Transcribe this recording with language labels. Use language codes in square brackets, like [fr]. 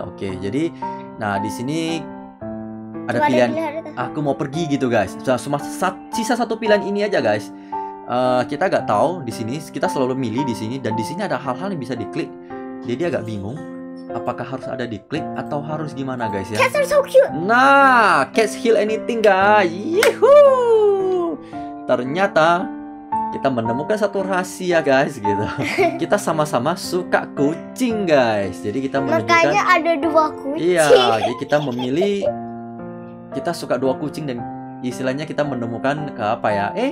[id] Oke, jadi nah di sini ada pilihan, aku mau pergi gitu guys. Cuma sisa satu pilihan ini aja guys. Kita gak tahu di sini, kita selalu milih di sini, dan di sini ada hal-hal yang bisa diklik. Jadi agak bingung, apakah harus ada diklik atau harus gimana guys ya? [en] Cats are so cute. Nah, cats heal anything guys. Yeehoo. [id] Ternyata kita menemukan satu rahasia guys gitu. Kita sama-sama suka kucing guys. Jadi kita menemukan. Makanya ada dua kucing. Iya, jadi kita memilih. Kita suka dua kucing dan istilahnya kita menemukan ke apa ya?